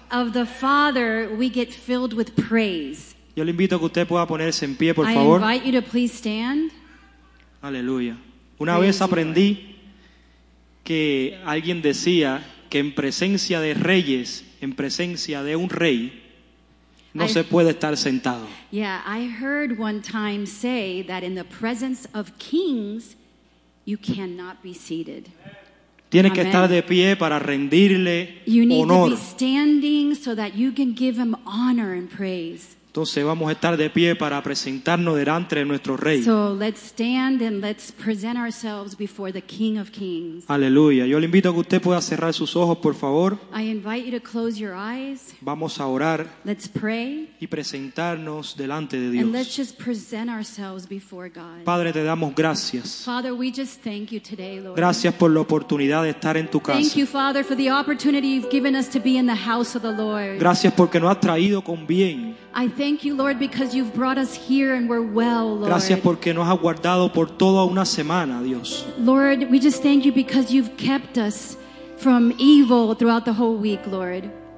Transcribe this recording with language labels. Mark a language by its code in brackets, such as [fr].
[en] Of the Father, we get filled with praise. [es] Yo le invito a que usted pueda ponerse en pie, por favor. [en] I invite you to please stand. [es] Aleluya. Una [en] praise [es] vez aprendí que alguien decía que en presencia de reyes, en presencia de un rey, no se puede estar sentado. [en] Yeah, I heard one time say that in the presence of kings, you cannot be seated. [es] Tienes Amen. Que estar de pie para rendirle honor. [en] You need honor. To be standing so that you can give him honor and praise. [es] Entonces vamos a estar de pie para presentarnos delante de nuestro rey. [en] So let's stand and let's present ourselves before the King of Kings. [es] Aleluya. Yo le invito a que usted pueda cerrar sus ojos, por favor. [en] I invite you to close your eyes. [es] Vamos a orar. [en] Let's pray. [es] Y presentarnos delante de Dios. [en] And let's just present ourselves before God. [es] Padre, te damos gracias. [en] Father, we just thank you today, Lord. [es] Gracias por la oportunidad de estar en tu casa. [en] Thank you, Father, for the opportunity you've given us to be in the house of the Lord. [es] Gracias porque nos has traído con bien. [en] Thank you, Lord, because you've brought us here and we're well, Lord. [es] Gracias porque nos has guardado por toda una semana, Dios. [en] Lord, we just thank you because you've kept us from evil throughout the whole week, Lord.